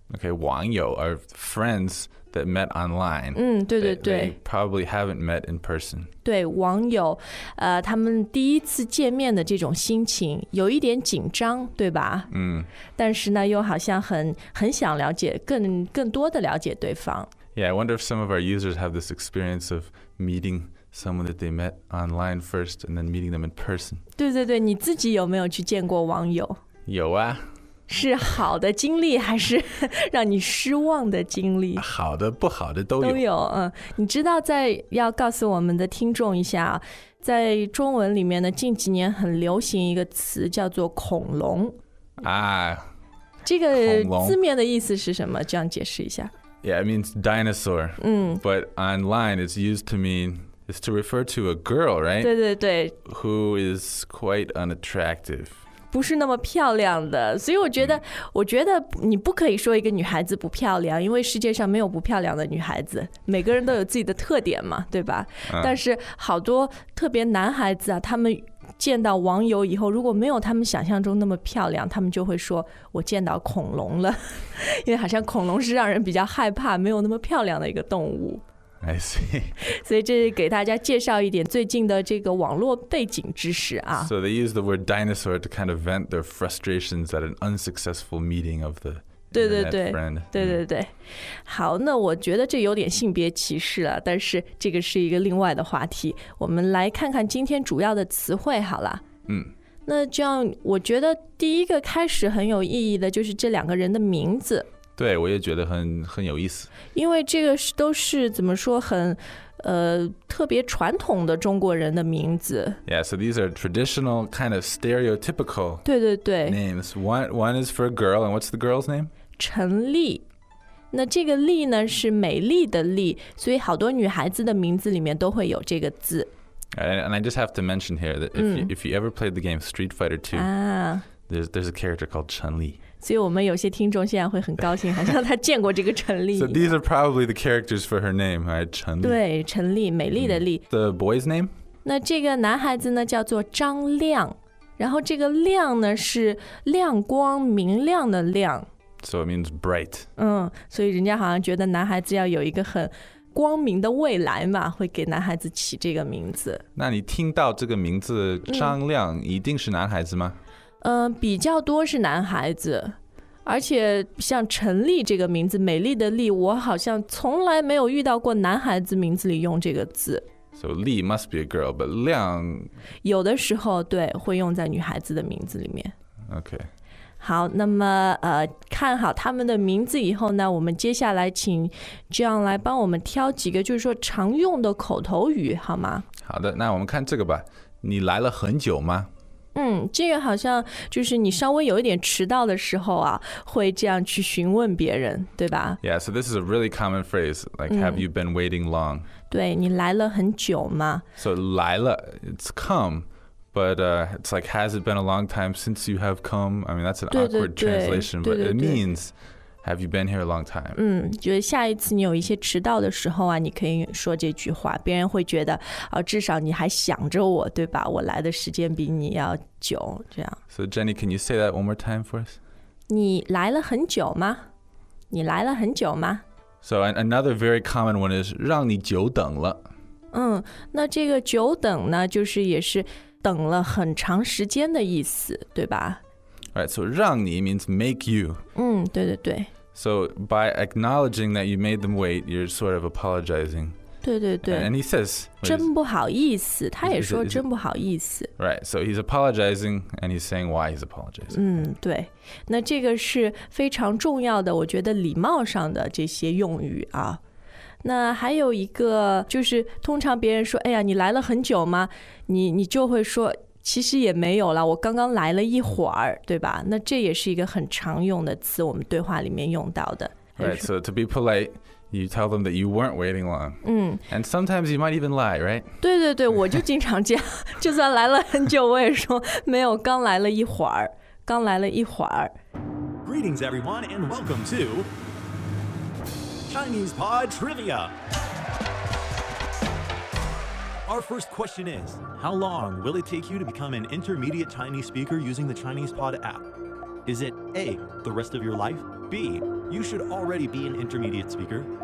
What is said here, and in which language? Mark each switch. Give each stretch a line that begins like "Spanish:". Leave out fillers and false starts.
English: Okay, 网友 are friends that met online.
Chinese: 对对对。
English: They probably haven't met in person.
Chinese: 对，网友，他们第一次见面的这种心情，有一点紧张，对吧？但是呢，又好像很想了解，更多的了解对方。
English: Yeah, I wonder if some of our users have this experience of meeting someone that they met online first and then meeting them in person.
Chinese: 对对对，你自己有没有去见过网友？有啊。是好的经历还是让你失望的经历？好的不好的都有。都有。你知道，在要告诉我们的听众一下，在中文里面呢，近几年很流行一个词叫做恐龙。啊，这个字面的意思是什么？这样解释一下。
English: Yeah, it means dinosaur. But online it's used to mean, it's to refer to a girl, right?
Chinese: 对对对。
English: Who is quite unattractive.
Chinese: 不是那么漂亮的，所以我觉得你不可以说一个女孩子不漂亮，因为世界上没有不漂亮的女孩子，每个人都有自己的特点嘛，对吧？但是好多特别男孩子啊，他们见到网友以后，如果没有他们想象中那么漂亮，他们就会说我见到恐龙了，因为好像恐龙是让人比较害怕，没有那么漂亮的一个动物。
English: I see.
Chinese: 所以这是给大家介绍一点最近的这个网络背景知识啊。
English: So they use the word dinosaur to kind of vent their frustrations at an unsuccessful meeting of the internet friend.
Chinese: 对对对。好，那我觉得这有点性别歧视了，但是这个是一个另外的话题。我们来看看今天主要的词汇好了。嗯。那这样我觉得第一个开始很有意义的就是这两个人的名字。对，我也觉得很有意思，因为这个都是怎么说很特别传统的中国人的名字。
English: Yeah, so these are traditional kind of stereotypical
Chinese: 对对对
English: names. One is for a girl, and what's the girl's name?
Chinese: 陈丽。那这个丽呢是美丽的丽，所以好多女孩子的名字里面都会有这个字。
English: And I just have to mention here that if you ever played the game Street Fighter 2, there's a character called 陈丽。
Chinese: 所以我们有些听众现在会很高兴，好像他见过这个陈丽。
English: So these are probably the characters for her name, right?
Chinese: 陈丽。对，陈丽，美丽的丽。
English: The boy's name?
Chinese: 那这个男孩子呢，叫做张亮。然后这个亮呢，是亮光、明亮的亮。
English: So it means bright.
Chinese: 嗯，所以人家好像觉得男孩子要有一个很光明的未来嘛，会给男孩子起这个名字。那你听到这个名字，张亮一定是男孩子吗？比较多是男孩子，而且像陈丽这个名字，美丽的丽，我好像从来没有遇到过男孩子名字里用这个字。
English: So 丽 must be a girl, but 亮
Chinese: 有的时候对会用在女孩子的名字里面。
English: OK,
Chinese: 好，那么看好他们的名字以后呢，我们接下来请这样来帮我们挑几个就是说常用的口头语好吗？好的，那我们看这个吧，你来了很久吗？这个好像就是你稍微有一点迟到的时候啊，会这样去询问别人，对吧？
English: Yeah, so this is a really common phrase, like, have you been waiting long?
Chinese: 对，你来了很久吗？
English: So 来了, it's come, but it's like, has it been a long time since you have come? I mean, that's an awkward translation, but it means, have you been here a long time?
Chinese: 就是下一次你有一些迟到的时候啊，你可以说这句话，别人会觉得，至少你还想着我，对吧？我来的时间比你要久，这样。
English: So Jenny, can you say that one more time for us?
Chinese: 你来了很久吗？你来了很久吗？
English: So another very common one is,
Chinese: 让你久等了。那这个久等呢，就是也是等了很长时间的意思，对吧？
English: Right, so 让你 means make you.
Chinese: 对对对。
English: So by acknowledging that you made them wait, you're sort of apologizing.
Chinese: 对对对。
English: And he says,
Chinese: 真不好意思，他也说真不好意思。
English: Right, so he's apologizing and he's saying why he's apologizing.
Chinese: 对。那这个是非常重要的，我觉得礼貌上的这些用语啊。那还有一个就是通常别人说，哎呀，你来了很久吗？你就会说其实也没有了，我刚刚来了一会儿，对吧？那这也是一个很常用的词，我们对话里面用到的。
English: Right, so to be polite, you tell them that you weren't waiting long. And sometimes you might even lie, right?
Chinese: 对对对，我就经常这样，就算来了很久，我也说没有，刚来了一会儿，刚来了一会儿。
English: Greetings, everyone, and welcome to Chinese Pod Trivia. Our first question is, how long will it take you to become an intermediate Chinese speaker using the Chinese Pod app? Is it A, the rest of your life? B, you should already be an intermediate speaker?